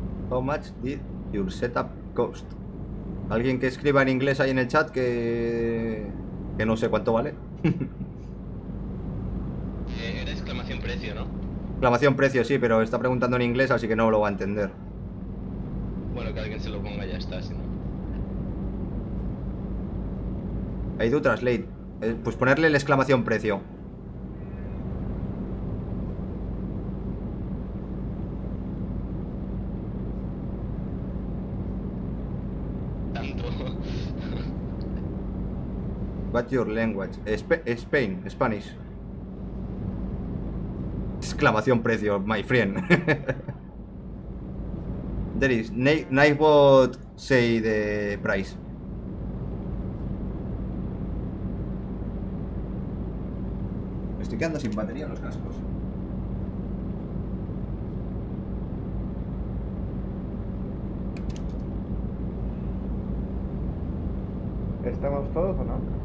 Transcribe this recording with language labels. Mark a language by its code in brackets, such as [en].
[en] How much did your setup cost? [es] Alguien que escriba en inglés ahí en el chat que no sé cuánto vale. Era exclamación precio, ¿no? Exclamación precio, sí, pero está preguntando en inglés, así que no lo va a entender. Bueno, que alguien se lo ponga, ya está, si no. Hay do translate. Pues ponerle la exclamación precio. [en] What's your language? Spain, Spanish. [es] Exclamación precio, [en] my friend. There is Nightbot say the price. [es] Me estoy quedando sin batería en los cascos. ¿Estamos todos o no?